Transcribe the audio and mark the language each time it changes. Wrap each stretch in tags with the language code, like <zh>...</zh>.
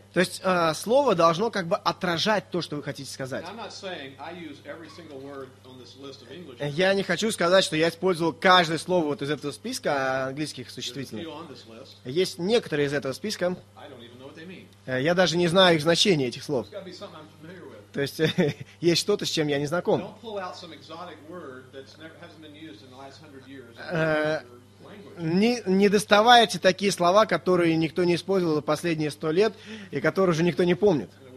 <ru>То есть слово должно как бы отражать то, что вы хотите сказать.</ru> <en>I'm not saying I use every single word on this list of English.</en> <ru>Я не хочу сказать, что я использовал каждое слово вот из этого списка английских существительных.</ru> <en>There's a few on this list.</en> <ru>Есть некоторые из этого списка.</ru> <en>I don't even know what they mean.</en> <ru>Я даже не знаю их значение этих слов.</ru> <en>There's got to be something I'm familiar with.</en> <ru>То есть есть что-то, с чем я не знаком.</ru> <en>Don't pull out some exotic word that's never hasn't been used in the last 100 years.</en> <ru>Не доставайте такие слова, которые никто не использовал за последние 100 лет и которые уже никто не помнит.</ru>